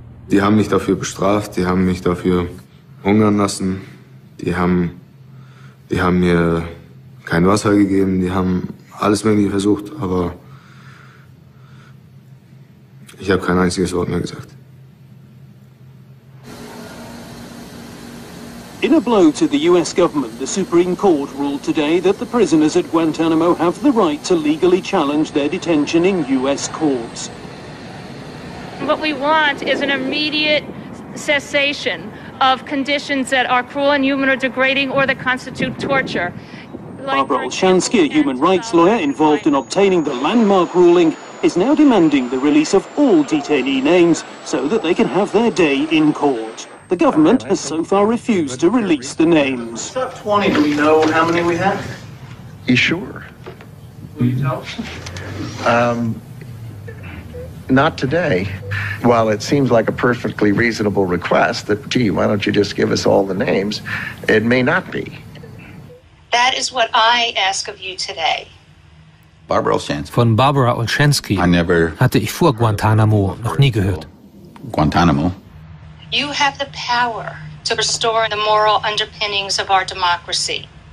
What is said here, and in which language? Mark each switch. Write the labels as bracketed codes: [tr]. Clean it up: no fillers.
[de] Die haben mich dafür bestraft, die haben mich dafür hungern lassen, die haben mir kein Wasser gegeben, die haben alles Mögliche versucht, aber ich habe kein einziges Wort mehr gesagt. [en] In a blow to the US government, the Supreme Court ruled today that the prisoners at Guantanamo have the right to legally challenge their detention in US courts. What we want is an immediate cessation of conditions that are cruel, inhuman, or degrading, or that constitute torture. Barbara Olshansky, a human rights lawyer involved in obtaining the landmark ruling, is now demanding the release of all detainee names so that they can have their day in court. The government has so far refused to release the names. Step 20, do we know how many we have? You sure? Will you tell us? Not today. While it seems like a perfectly reasonable request that, gee, why don't you just give us all the names, it may not be. That is what I ask of you today. Barbara Olshansky. [de] Von Barbara Olshansky hatte ich vor Guantanamo noch nie gehört. Guantanamo. [en] You have the power to restore the moral underpinnings of our democracy.